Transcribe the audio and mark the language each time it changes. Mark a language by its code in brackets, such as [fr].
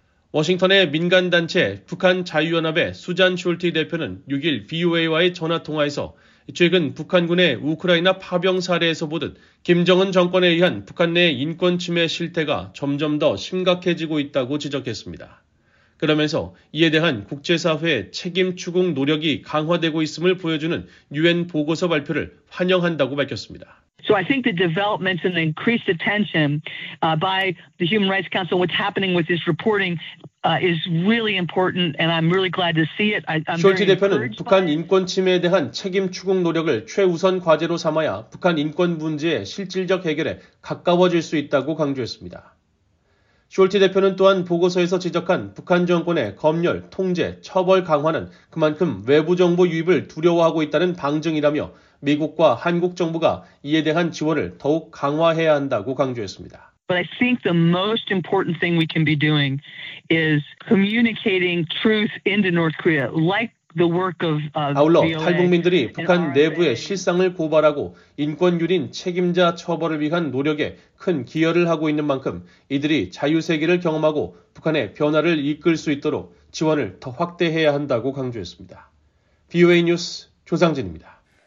[ko] 워싱턴의 민간단체 북한자유연합의 수잔 숄티 대표는 6일 VOA와의 전화통화에서 최근 북한군의 우크라이나 파병 사례에서 보듯 김정은 정권에 의한 북한 내 인권 침해 실태가 점점 더 심각해지고 있다고 지적했습니다. 그러면서 이에 대한 국제사회의 책임 추궁 노력이 강화되고 있음을 보여주는 유엔 보고서 발표를 환영한다고 밝혔습니다. [en] So I think the developments and the increased attention by the Human Rights Council what's happening with this reporting is really important and I'm really glad to see it. [ko] 숄티 대표는 북한 인권 침해에 대한 책임 추궁 노력을 최우선 과제로 삼아야 북한 인권 문제의 실질적 해결에 가까워질 수 있다고 강조했습니다. 숄티 대표는 또한 보고서에서 지적한 북한 정권의 검열, 통제, 처벌 강화는 그만큼 외부 정보 유입을 두려워하고 있다는 방증이라며 미국과 한국 정부가 이에 대한 지원을 더욱 강화해야 한다고 강조했습니다. [en] But I think the most important thing we can be doing is communicating truth into North Korea, like the work of BOA. [ko] 아울러 탈북민들이 북한 내부의 실상을 고발하고 인권 유린 책임자 처벌을 위한 노력에 큰 기여를 하고 있는 만큼 이들이 자유 세계를 경험하고 북한의 변화를 이끌 수 있도록 지원을 더 확대해야 한다고 강조했습니다. BOA 뉴스 조상진입니다.